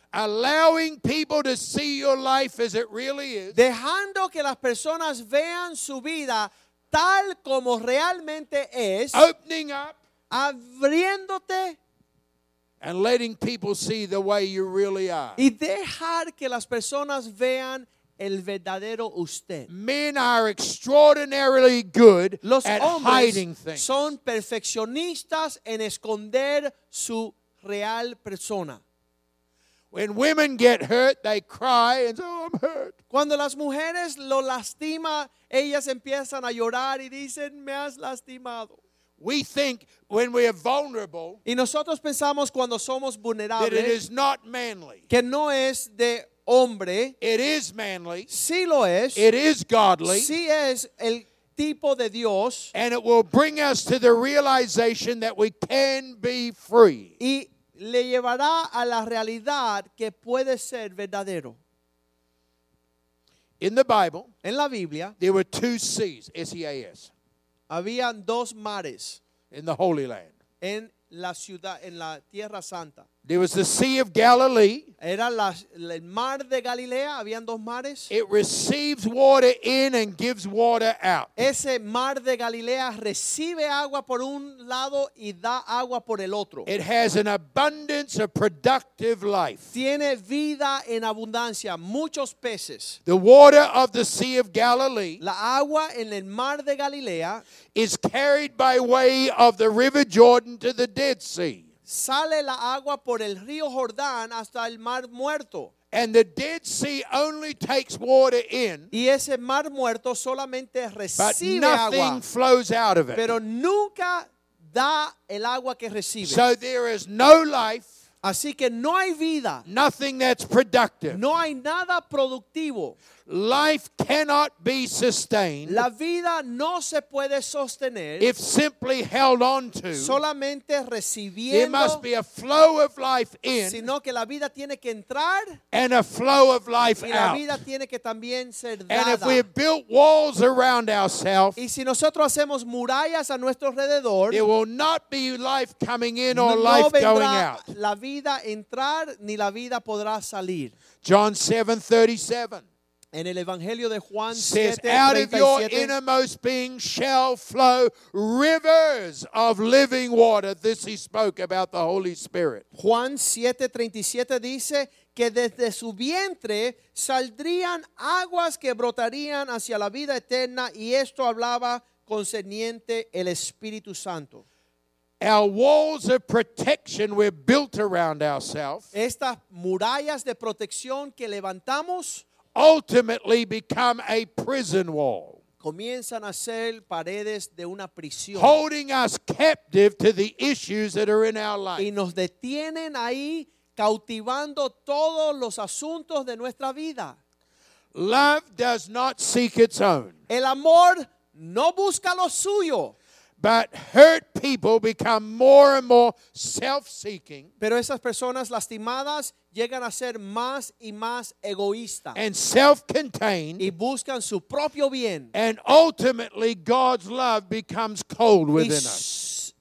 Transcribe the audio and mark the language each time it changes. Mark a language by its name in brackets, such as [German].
[English] Allowing people to see your life as it really is. [Spanish] Dejando que las personas vean su vida tal como realmente es. [English] Opening up. [Spanish] Abriéndote. [English] And letting people see the way you really are. [Spanish] Y dejar que las personas vean el verdadero usted. [English] Men are extraordinarily good [Spanish] los [English] at hiding things. [Spanish] Son perfeccionistas en esconder su real persona. [English] When women get hurt, they cry and say, "Oh, I'm hurt." [Spanish] Cuando las mujeres lo lastima, ellas empiezan a llorar y dicen, "Me has lastimado." [English] We think when we are vulnerable, [Spanish] y nosotros pensamos cuando somos vulnerables, [English] that it is not manly. [Spanish] Que no es de hombre. [English] It is manly. [Spanish] Sí lo es. [English] It is godly. [Spanish] Sí es el tipo de Dios. [English] And it will bring us to the realization that we can be free. [Spanish] Y le llevará a la realidad que puede ser verdadero. [English] In the Bible, [Spanish] en la Biblia, [English] there were two seas, S-E-A-S. [Spanish] Habían dos mares [English] in the Holy Land. [Spanish] En la ciudad, en la Tierra Santa. [English] There was the Sea of Galilee. [Spanish] Era el mar de Galilea, habían dos mares. [English] It receives water in and gives water out. [Spanish] Ese mar de Galilea recibe agua por un lado y da agua por el otro. [English] It has an abundance of productive life. [Spanish] Tiene vida en abundancia, muchos peces. [English] The water of the Sea of Galilee, [Spanish] la agua en el mar de Galilea, [English] is carried by way of the River Jordan to the Dead Sea. [Spanish] Sale la agua por el río Jordán hasta el mar muerto. [English] And the Dead Sea only takes water in. [Spanish] Y ese mar muerto solamente recibe agua. [English] But nothing [Spanish] agua. [English] Flows out of it. [Spanish] Pero nunca da el agua que recibe. [English] So there is no life. [Spanish] Así que no hay vida. [English] Nothing that's productive. [Spanish] No hay nada productivo. [English] Life cannot be sustained. [Spanish] La vida no se puede sostener. [English] If simply held on to. [Spanish] Solamente recibiendo. [English] There must be a flow of life in. [Spanish] Sino que la vida tiene que entrar. [English] And a flow of life out. [Spanish] Y la vida tiene que también ser dada. [English] And if we built walls around ourselves. [Spanish] Y si nosotros hacemos murallas a nuestro alrededor. [English] There will not be life coming in or life going out. [Spanish] La vida entrar ni la vida podrá salir. [English] John 7:37. [Spanish] En el Evangelio de Juan 7, [English] says, out of your innermost being shall flow rivers of living water. This he spoke about the Holy Spirit. [Spanish] Juan 7:37 dice que desde su vientre saldrían aguas que brotarían hacia la vida eterna, y esto hablaba concerniente el Espíritu Santo. [English] Our walls of protection we've built around ourselves. [Spanish] Estas murallas de protección que levantamos [English] ultimately become a prison wall. [Spanish] Comienzan a ser paredes de una prisión. [English] Holding us captive to the issues that are in our life. [Spanish] Y nos detienen ahí, cautivando todos los asuntos de nuestra vida. [English] Love does not seek its own. [Spanish] El amor no busca lo suyo. [English] But hurt people become more and more self-seeking. [Spanish] Pero esas personas lastimadas llegan a ser más y más egoístas. [English] And self-contained. [Spanish] Y buscan su propio bien. [English] And ultimately God's love becomes cold within us.